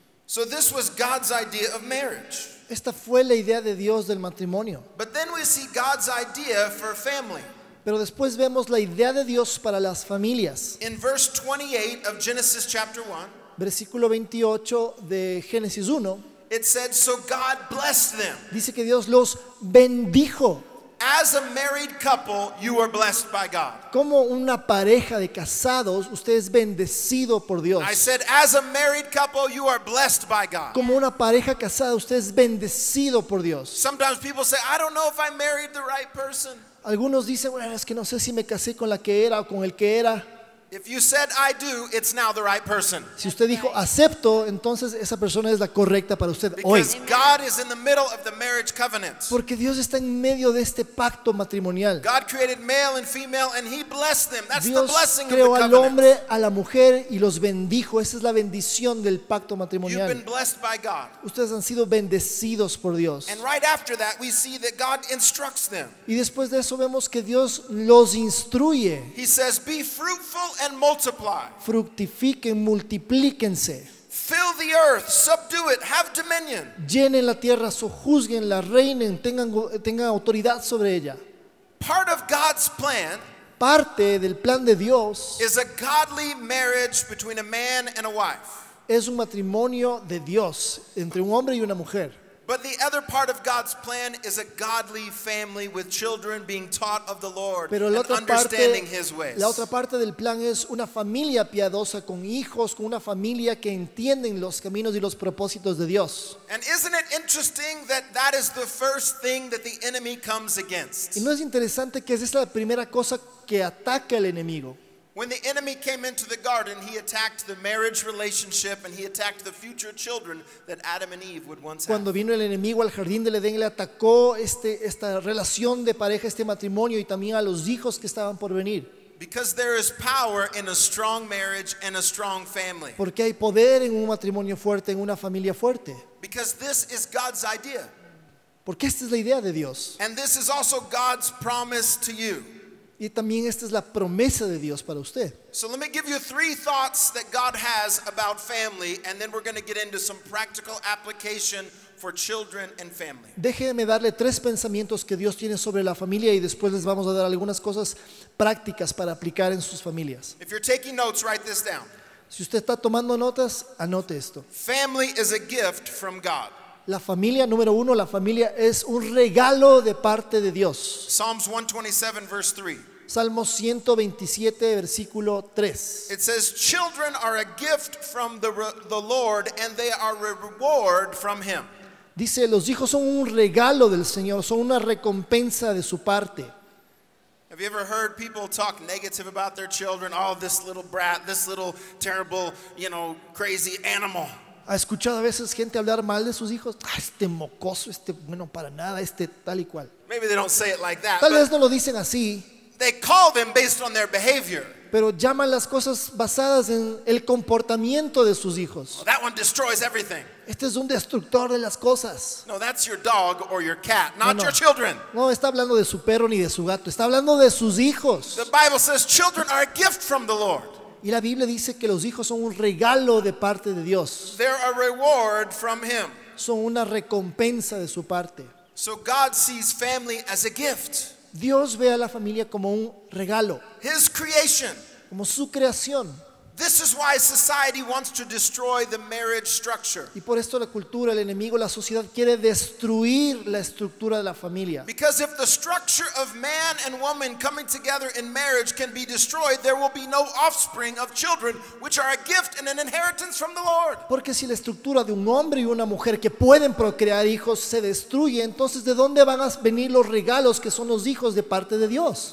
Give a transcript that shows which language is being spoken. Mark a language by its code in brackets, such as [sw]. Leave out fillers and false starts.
[en] So this was God's idea of marriage. [es] Esta fue la idea de Dios del matrimonio. [en] But then we see God's idea for family. [es] Pero después vemos la idea de Dios para las familias. [en] In verse 28 of Genesis chapter 1. [es] Versículo 28 de Génesis 1. [en] It said so God blessed them. [es] Dice que Dios los bendijo. [en] As a married couple, you are blessed by God. [es] Como una pareja de casados, usted es bendecido por Dios. [en] I said, as a married couple, you are blessed by God. [es] Como una pareja casada, usted es bendecido por Dios. [en] Sometimes people say, I don't know if I married the right person. [es] Algunos dicen, bueno, es que no sé si me casé con la que era o con el que era. [en] If you said I do, it's now the right person. [es] Si usted dijo acepto, entonces esa persona es la correcta para usted hoy. [en] Because God is in the middle of the marriage covenant. [es] Porque Dios está en medio de este pacto matrimonial. [en] God created male and female and he blessed them. That's [es] Dios [en] the blessing [es] creó [en] of the [es] al [en] covenant. [es] Hombre, a la mujer y los bendijo. Esa es la bendición del pacto matrimonial. [en] You've been blessed by God. [es] Ustedes han sido bendecidos por Dios. [en] And right after that we see that God instructs them. [es] Y después de eso vemos que Dios los instruye. [en] He says be fruitful and multiply. [es] Fructifiquen, multiplíquense. [en] Fill the earth, subdue it, have dominion. [es] Llenen la tierra, sojuzguenla, reinen, tengan autoridad sobre ella. [en] Part of God's plan, [es] parte del plan de Dios, [en] is a godly marriage between a man and a wife. [es] Es un matrimonio de Dios entre un hombre y una mujer. [en] But the other part of God's plan is a godly family with children being taught of the Lord and understanding his ways. [es] La otra parte del plan es una familia piadosa con hijos, con una familia que entienden los caminos y los propósitos de Dios. [en] And isn't it interesting that that is the first thing that the enemy comes against? [es] ¿Y no es interesante que esa es la primera cosa que ataca el enemigo? [en] When the enemy came into the garden, he attacked the marriage relationship and he attacked the future children that Adam and Eve would once have. [es] Cuando vino el enemigo al jardín del Edén, le atacó esta relación de pareja, este matrimonio y también a los hijos que estaban por venir. [en] Because there is power in a strong marriage and a strong family. [es] Porque hay poder en un matrimonio fuerte, en una familia fuerte. [en] Because this is God's idea. [es] Porque esta es la idea de Dios. [en] And this is also God's promise to you. [es] Y también esta es la promesa de Dios para usted. [en] So let me give you three thoughts that God has about family, and then we're going to get into some practical application for children and family. [es] Déjeme darle tres pensamientos que Dios tiene sobre la familia y después les vamos a dar algunas cosas prácticas para aplicar en sus familias. [en] If you're taking notes, write this down. [es] Si usted está tomando notas, anote esto. [en] Family is a gift from God. [es] La familia, número uno, la familia es un regalo de parte de Dios. [en] Psalms 127, verse 3. [es] Salmos 127, versículo 3. [en] It says, children are a gift from the Lord, and they are a reward from him. [es] Dice, los hijos son un regalo del Señor, son una recompensa de su parte. [en] Have you ever heard people talk negative about their children? Oh, this little brat, this little terrible, you know, crazy animal. [es] ¿Ha escuchado a veces gente hablar mal de sus hijos? Ah, este mocoso, este bueno para nada, este tal y cual. [en] Maybe they don't say it like that. [es] Tal vez no lo dicen así. [en] They call them based on their behavior. [es] Pero llaman las cosas basadas en el comportamiento de sus hijos. [en] Well, that one destroys everything. [es] Este es un destructor de las cosas. [en] No, that's your dog or your cat, not your children. [es] No, está hablando de su perro ni de su gato, está hablando de sus hijos. [en] The Bible says children are a gift from the Lord. [es] Y la Biblia dice que los hijos son un regalo de parte de Dios. [en] They're a reward from him. [es] Son una recompensa de su parte. [en] So God sees family as a gift. [es] Dios ve a la familia como un regalo. [en] His creation. [es] Como su creación. [en] This is why society wants to destroy the marriage structure. [es] Y por esto la cultura, el enemigo, la sociedad quiere destruir la estructura de la familia. [en] Because if the structure of man and woman coming together in marriage can be destroyed, there will be no offspring of children, which are a gift and an inheritance from the Lord. [es] Porque si la estructura de un hombre y una mujer que pueden procrear hijos se destruye, entonces ¿de dónde van a venir los regalos que son los hijos de parte de Dios?